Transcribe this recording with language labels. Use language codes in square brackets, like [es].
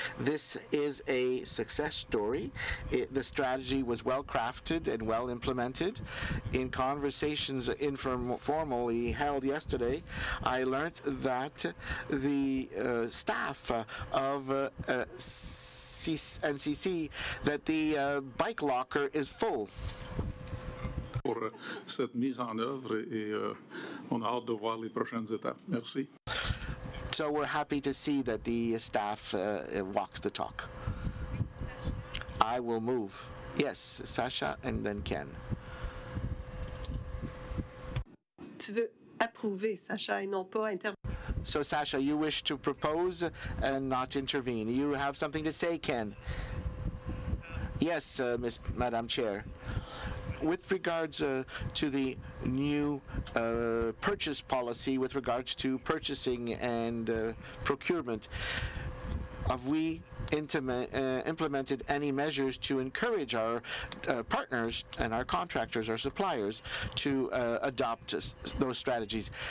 [en] This is a success story. The strategy was well-crafted and well-implemented. In conversations informally held yesterday, I learned that the staff of NCC, that the bike locker is full. [fr] Pour cette mise en œuvre et on a hâte de voir les prochaines étapes. Merci. [en] So we're happy to see that the staff walks the talk. I will move. Yes, Sasha and then Ken. [fr] Tu veux approuver, Sasha, et non pas intervenir. [en] So, Sasha, you wish to propose and not intervene. You have something to say, Ken? Yes, Madam Chair. With regards to the new purchase policy, with regards to purchasing and procurement, have we implemented any measures to encourage our partners and our contractors, our suppliers, to adopt those strategies?